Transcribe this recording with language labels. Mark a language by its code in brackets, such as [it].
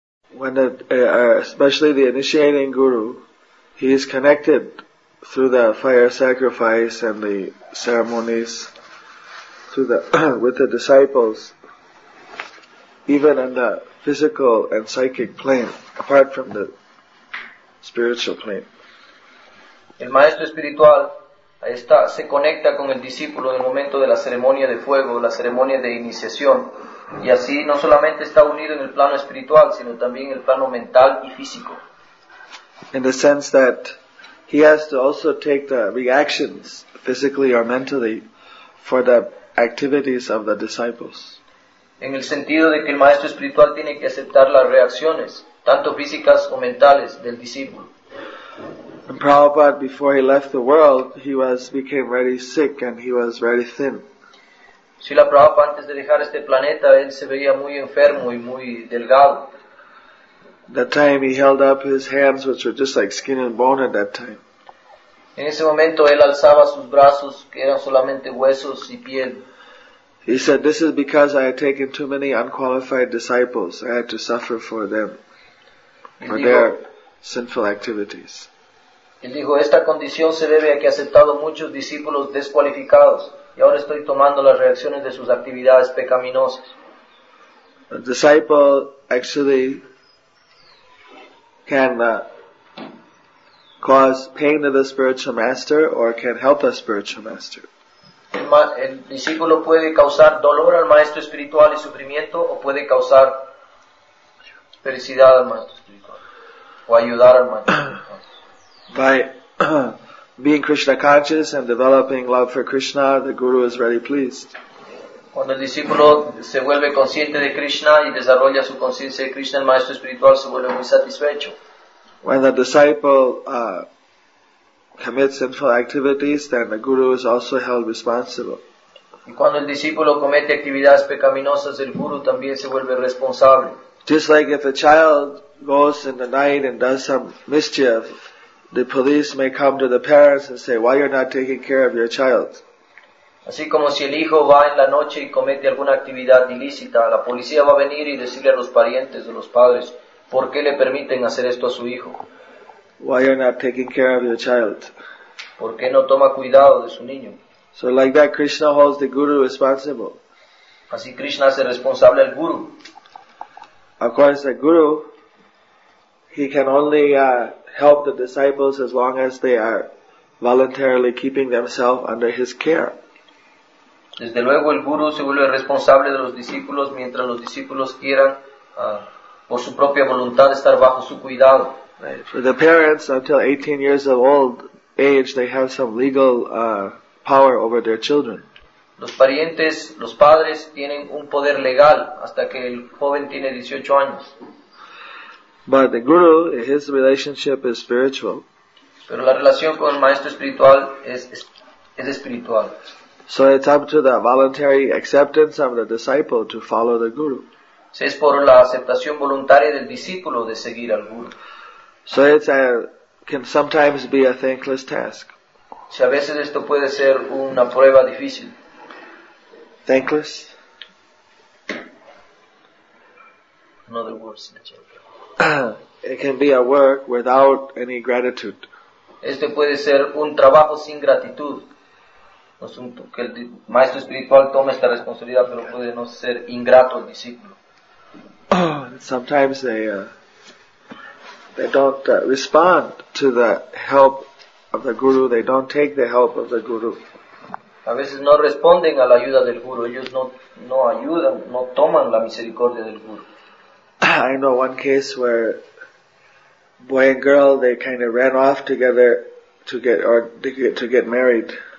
[en] Especially the initiating guru, he is connected through the fire sacrifice and the ceremonies through the with the disciples, even in the physical and psychic plane, apart from the spiritual plane. [es] El maestro espiritual está, se conecta con el discípulo en el momento de la ceremonia de fuego, la ceremonia de iniciación. Y así no solamente está unido en el plano espiritual, sino también en el plano mental y físico. [en] In the sense that he has to also take the reactions, physically or mentally, for the activities of the disciples. [es] En el sentido de que el maestro espiritual tiene que aceptar las reacciones, tanto físicas o mentales, del discípulo. [en] And Prabhupada, before he left the world, he was became very sick and he was very thin. [es] Srila Prabhupada antes de dejar este planeta, él se veía muy enfermo y muy delgado. [en] That time he held up his hands, which were just like skin and bone at that time. [es] En ese momento él alzaba sus brazos, que eran solamente huesos y piel. [en] He said, "This is because I had taken too many unqualified disciples. I had to suffer for them, for their sinful activities." [es] Él dijo, "Esta condición se debe a que he aceptado muchos discípulos descualificados. Y ahora estoy tomando las reacciones de sus actividades pecaminosas." [en] A disciple actually can cause pain to the spiritual master or can help the spiritual master. [es] El discípulo puede causar dolor al maestro espiritual y sufrimiento, o puede causar felicidad al maestro espiritual, o ayudar al maestro espiritual. [en] Being Krishna conscious and developing love for Krishna, the Guru is very pleased. [es] Cuando el discípulo se vuelve consciente de Krishna y desarrolla su conciencia de Krishna, el maestro espiritual se vuelve muy satisfecho. [en] When the disciple commits sinful activities, then the Guru is also held responsible. [es] Y cuando el discípulo comete actividades pecaminosas, el Guru también se vuelve responsable. [en] Just like if a child goes in the night and does some mischief, the police may come to the parents and say, "Why you're not taking care of your child?" [es] Así como si el hijo va en la noche y comete alguna actividad ilícita, la policía va a venir y decirle a los parientes o los padres, ¿por qué le permiten hacer esto a su hijo? [en] Why you're not taking care of your child? [es] ¿Por qué no toma cuidado de su niño? [en] So like that, Krishna holds the guru responsible. [es] Así Krishna hace responsable al guru. [en] Of course, the guru, he can only help the disciples as long as they are voluntarily keeping themselves under his care. [es] Desde luego el guru se vuelve responsable de los discípulos mientras los discípulos quieran por su propia voluntad estar bajo su cuidado. [en] Right. For the parents, until 18 years of old age, they have some legal power over their children. [es] Los parientes, los padres tienen un poder legal hasta que el joven tiene 18 años. [en] But the guru, his relationship is spiritual. [es] Pero la relación con el maestro espiritual es espiritual. [en] So it's up to the voluntary acceptance of the disciple to follow the guru. [es] Si es por la aceptación voluntaria del discípulo de seguir al guru. [en] So it can sometimes be a thankless task. [es] Si a veces esto puede ser una prueba difícil. [en] Thankless? Another word, Sanchez. It can be a work without any gratitude. [es] Este puede ser un trabajo sin gratitud. No es un, que el maestro espiritual tome esta responsabilidad, pero puede no ser ingrato al discípulo. [en] Sometimes they don't respond to the help of the guru, they don't take the help of the guru. [es] A veces no responden a la ayuda del guru, ellos no ayudan, no toman la misericordia del guru. [en] I know one case where boy and girl, they kind of ran off together to get married.